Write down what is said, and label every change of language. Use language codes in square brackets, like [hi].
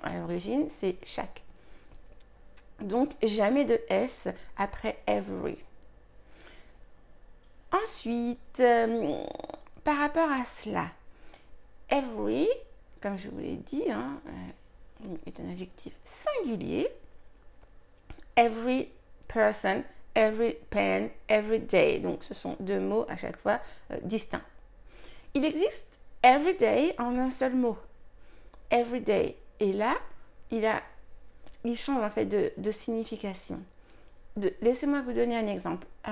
[fr] À l'origine, c'est chaque. Donc, jamais de S après every. Ensuite, par rapport à cela, every, comme je vous l'ai dit, hein, est un adjectif singulier. [en] Every person, every pen, every day. [fr] Donc, ce sont deux mots à chaque fois distincts. Il existe every day en un seul mot. Every day. Et là, il change en fait de signification. Laissez-moi vous donner un exemple.